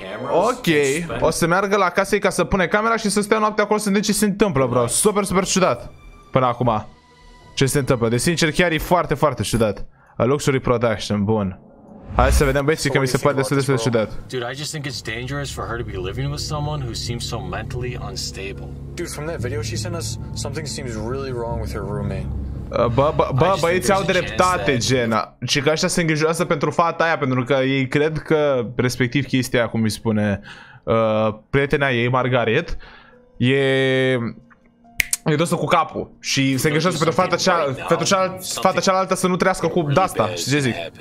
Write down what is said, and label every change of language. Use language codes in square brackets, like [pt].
[ro] Ok, o să meargă la casă ei ca să pune camera și să stea noaptea acolo să vedem ce se întâmplă, bro. Super, super ciudat. Până acum. Ce se întâmplă? De sincer, chiar e foarte, foarte ciudat. [en] A luxury production, [ro] bun. Hai să vedem, băieții, că mi se pare destul de ciudat. [en] Dude, I just think it's dangerous for her to be living with someone who seems so mentally unstable. Dude, from that video she sent us, something seems really wrong with her roommate. [ro] Băieții au dreptate, Jenna. Și că așa se îngrijorează pentru fata aia, pentru că ei cred că, respectiv chestia, cum îi spune, prietena ei, Margaret, e... E dus cu capul și se îngrijorează pentru fata cealaltă să nu trăiască cu asta, știi ce zic?